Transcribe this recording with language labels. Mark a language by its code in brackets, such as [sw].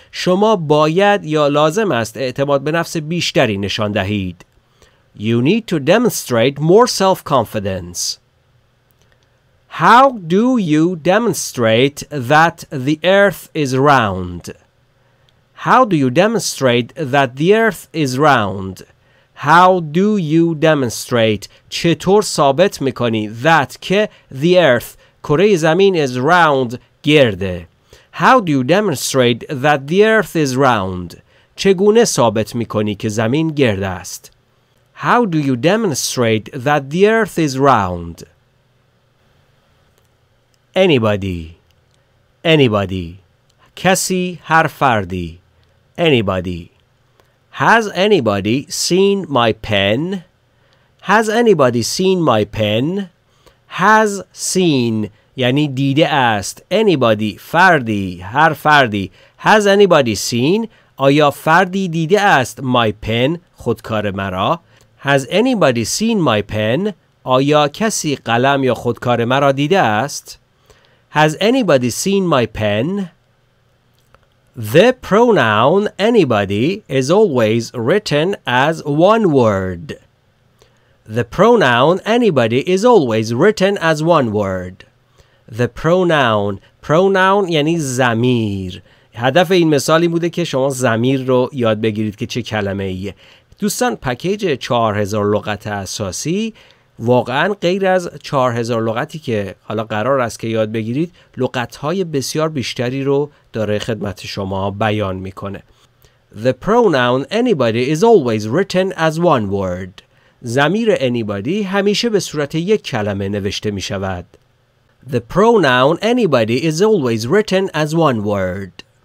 [fa] شما باید یا لازم است اعتماد به نفس بیشتری نشان دهید. [en] You need to demonstrate more self-confidence. How do you demonstrate that the earth is round? How do you demonstrate that the earth is round? How do you demonstrate? [fa] چطور ثابت میکنی that که [en] the earth, [fa] کره زمین [en] is round, [fa] گرده. [en] How do you demonstrate that the earth is round? [fa] چگونه ثابت میکنی که زمین گرد است? [en] How do you demonstrate that the earth is round? Anybody. [fa] کسی هر فردی. [en] Anybody. Has anybody seen my pen? Has anybody seen my pen? Has seen [fa] یعنی دیده است. Anybody, فردی, هر فردی. [en] Has anybody seen? [fa] آیا فردی دیده است [en] my pen, [fa] خودکار مرا؟ [en] Has anybody seen my pen? [fa] آیا کسی قلم یا خودکار مرا دیده است؟ [en] Has anybody seen my pen? The pronoun anybody is always written as one word. The pronoun anybody is always written as one word. The pronoun [fa] یعنی ضمیر. هدف این مثال این بوده که شما ضمیر رو یاد بگیرید که چه کلمه ایه. دوستان پکیج 4000 لغت اساسی واقعا غیر از 4000 لغتی که حالا قرار است که یاد بگیرید لغت‌های بسیار بیشتری رو داره خدمت شما بیان میکنه. [en] The pronoun anybody is always written as one word. [fa] ضمیر anybody همیشه به صورت یک کلمه نوشته میشود. [en] The pronoun anybody is always written as one word.